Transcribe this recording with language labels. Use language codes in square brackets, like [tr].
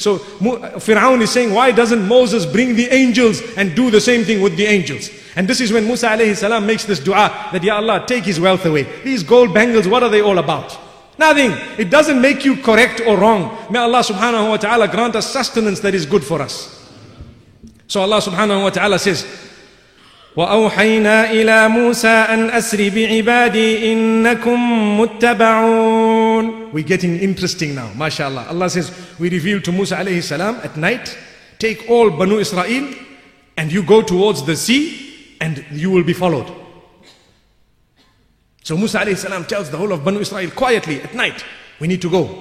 [en] So Fir'aun is saying, why doesn't Moses bring the angels and do the same thing with the angels? And this is when Musa alayhi salam makes this dua that Ya Allah, take his wealth away. These gold bangles, what are they all about? Nothing. It doesn't make you correct or wrong. May Allah subhanahu wa ta'ala grant us sustenance that is good for us. So Allah subhanahu wa ta'ala says, [ar] وَأَوْحَيْنَا إِلَى مُوسَىٰ أَنْ أَسْرِ بِعِبَادِي إِنَّكُمْ مُتَّبَعُونَ. [en] We're getting interesting now, mashallah. Allah says, we reveal to Musa alayhi salam at night, take all Banu Israel and you go towards the sea and you will be followed. So Musa alayhi salam tells the whole of Banu Israel quietly at night, we need to go.